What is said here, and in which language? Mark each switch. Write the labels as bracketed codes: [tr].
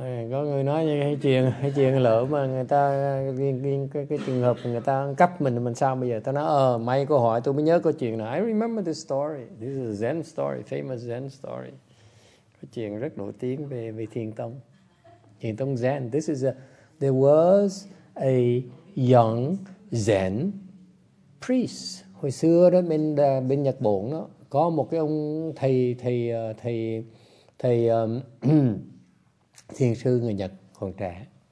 [vi] Có người nói như cái chuyện lỡ mà người ta cái trường hợp người ta ăn cắp mình sao bây giờ? Ta nói may câu hỏi, tôi mới nhớ câu chuyện này. [en] I remember this story. This is a Zen story, famous Zen story. [vi] Cái chuyện rất nổi tiếng về Thiền tông Zen. [en] This is there was a young Zen priest. [vi] Hồi xưa đó bên Nhật Bản đó có một cái ông thầy thiền sư người Nhật còn trẻ.